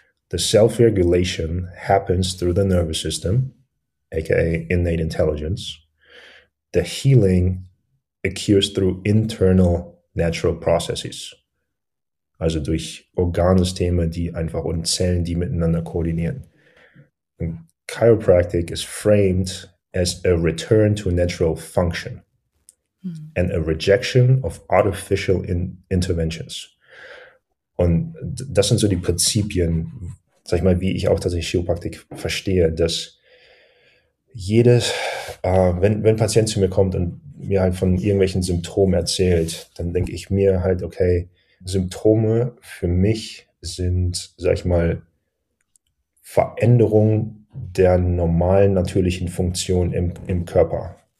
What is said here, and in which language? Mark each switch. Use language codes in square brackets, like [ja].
[en] The self-regulation happens through the nervous system, aka innate intelligence. The healing occurs through internal natural processes. [de] Also durch Organsysteme, die einfach und Zellen, die miteinander koordinieren. [en] And Chiropractic is framed as a return to natural function and a rejection of artificial interventions. [de] Und das sind so die Prinzipien, sag ich mal, wie ich auch tatsächlich Chiropraktik verstehe, dass jedes, wenn ein Patient zu mir kommt und mir halt von irgendwelchen Symptomen erzählt, dann denke ich mir halt, okay, Symptome für mich sind, sag ich mal, Veränderungen der normalen, natürlichen Funktion im Körper.